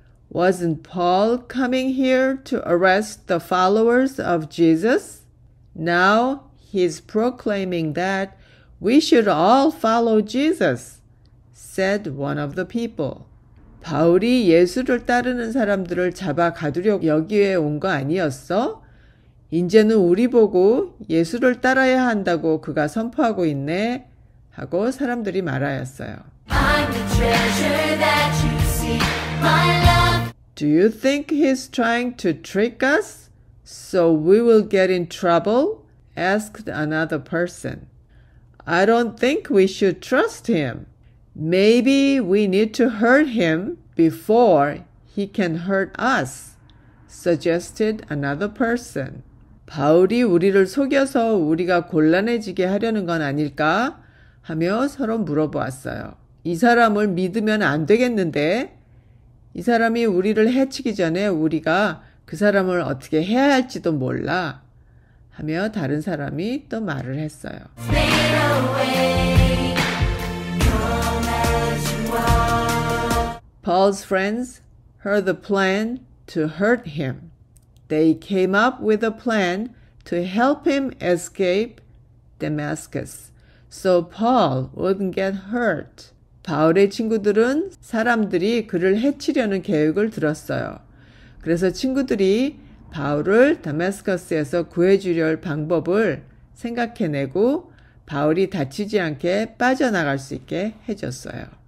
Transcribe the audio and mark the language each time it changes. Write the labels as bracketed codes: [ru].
[en] Wasn't Paul coming here to arrest the followers of Jesus? Now he's proclaiming that we should all follow Jesus, said one of the people. [ko] 바울이 예수를 따르는 사람들을 잡아 가두려고 여기에 온 거 아니었어? 이제는 우리 보고 예수를 따라야 한다고 그가 선포하고 있네? 하고 사람들이 말하였어요. [en] I'm the treasure that you see, my love. Do you think he's trying to trick us so we will get in trouble? Asked another person. I don't think we should trust him. Maybe we need to hurt him before he can hurt us, suggested another person. [ko] 바울이 우리를 속여서 우리가 곤란해지게 하려는 건 아닐까? 하며 서로 물어보았어요. 이 사람을 믿으면 안 되겠는데? 이 사람이 우리를 해치기 전에 우리가 그 사람을 어떻게 해야 할지도 몰라. 하며 다른 사람이 또 말을 했어요. [en] Stay away. Paul's friends heard the plan to hurt him. They came up with a plan to help him escape Damascus so Paul wouldn't get hurt. [ko] 바울의 친구들은 사람들이 그를 해치려는 계획을 들었어요. 그래서 친구들이 바울을 다마스커스에서 구해주려 할 방법을 생각해내고 바울이 다치지 않게 빠져나갈 수 있게 해줬어요.